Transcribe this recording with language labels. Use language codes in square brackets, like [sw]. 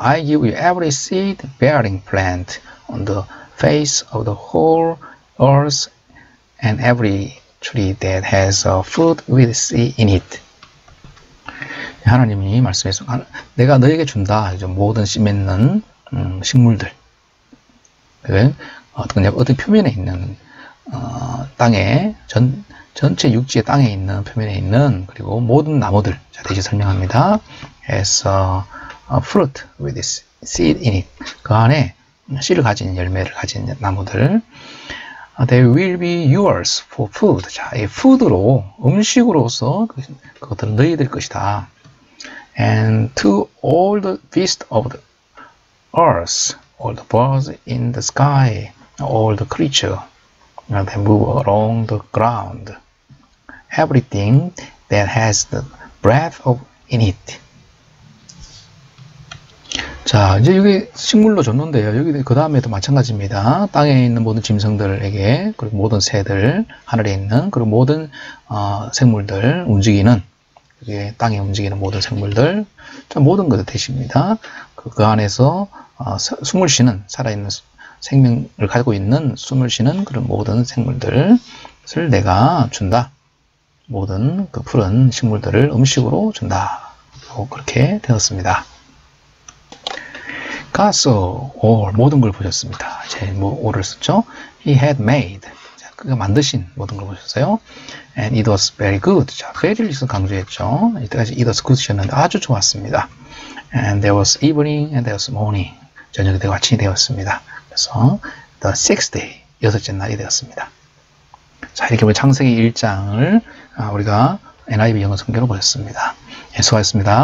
[en] I give you every seed bearing plant on the face of the whole earth and every tree that has a fruit with seed in it. [ko] 하나님이 말씀했습니다. 내가 너에게 준다. 모든 씨 맺는 식물들. 그냥 어떤 표면에 있는 땅에 전체 육지의 땅에 있는 표면에 있는 그리고 모든 나무들. 자, 다시 설명합니다. [en] As a fruit with this seed in it. [ko] 그 안에 씨를 가진 열매를 가진 나무들. [en] They will be yours for food. [ko] 자, 이 food로 음식으로서 그것들은 너희들 것이다. [en] And to all the beasts of the earth, all the birds in the sky, all the creatures that move along the ground, everything that has the breath of in it. [ko] 자, 이제 여기 식물로 줬는데요. 여기 그 다음에도 마찬가지입니다. 땅에 있는 모든 짐승들에게, 그리고 모든 새들, 하늘에 있는, 그리고 모든 생물들 움직이는, 이게 땅에 움직이는 모든 생물들, 자, 모든 것을 대십니다. 그 안에서 숨을 쉬는, 살아있는 생명을 가지고 있는 숨을 쉬는 그런 모든 생물들을 내가 준다. 모든 그 푸른 식물들을 음식으로 준다. 그렇게 되었습니다. 가서 all, 모든 걸 보셨습니다. 이제 뭐 all을 썼죠. [en] He had made. [ko] 그가 만드신 모든 걸 보셨어요. [en] And it was very good. [ko] 자, very를 강조했죠. 이때까지 [en] it was good [ko] 이었는데 아주 좋았습니다. [en] And there was evening and there was morning. [ko] 저녁이 되고 아침이 되었습니다. 그래서 [en] the sixth day, [ko] 여섯째 날이 되었습니다. 자, 이렇게 우리 창세기 1장을 우리가 NIV 영어 성경으로 보셨습니다. 수고하셨습니다.